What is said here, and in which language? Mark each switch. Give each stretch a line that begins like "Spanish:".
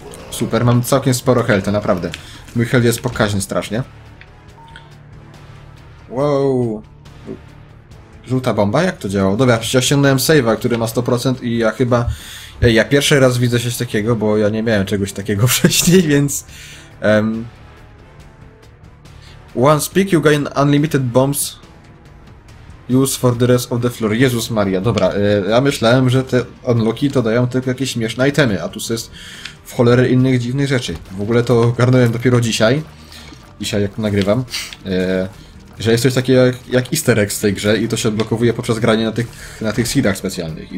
Polish: Super, mam całkiem sporo healthy, naprawdę. Mój health jest pokaźny strasznie. Wow! Żółta bomba? Jak to działało? Dobra, przecież osiągnąłem save'a, który ma 100% i ja chyba... Ja pierwszy raz widzę coś takiego, bo ja nie miałem czegoś takiego wcześniej, więc...
English: Once peak, you gain unlimited bombs. Use for the rest of the floor.
Polish: Jezus Maria, dobra. Ja myślałem, że te unlocki to dają tylko jakieś śmieszne itemy, a tu jest w cholerę innych dziwnych rzeczy. W ogóle to ogarnąłem dopiero dzisiaj. Dzisiaj jak nagrywam. Że jest coś takiego jak easter egg w tej grze i to się odblokowuje poprzez granie na tych seedach specjalnych.